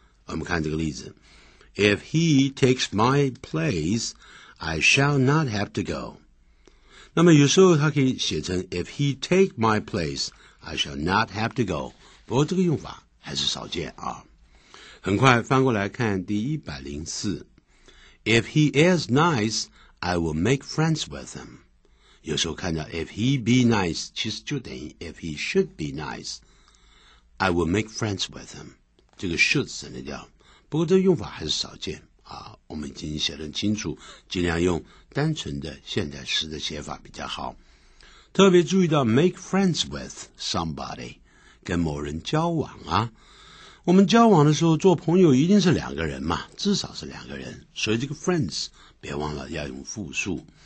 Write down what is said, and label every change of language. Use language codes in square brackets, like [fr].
[zh] 我们看这个例子， [en] If he takes my place, I shall not have to go. [zh] 那么有时候他可以写成 [en] If he take my place, I shall not have to go. [zh] 不过这个用法还是少见啊。很快翻过来看第104。 [en] If he is nice, I will make friends with him. [zh] 有时候看到 [en] If he be nice, [zh] 其实就等于 [en] If he should be nice, I will make friends with him. [zh] 这个 should 省略掉。不过这用法还是少见啊，我们已经写得很清楚，尽量用单纯的现在时的写法比较好。特别注意到 [en] make friends with somebody， [zh] 跟某人交往啊。我们交往的时候做朋友一定是两个人嘛，至少是两个人，所以这个 friends 别忘了要用复数。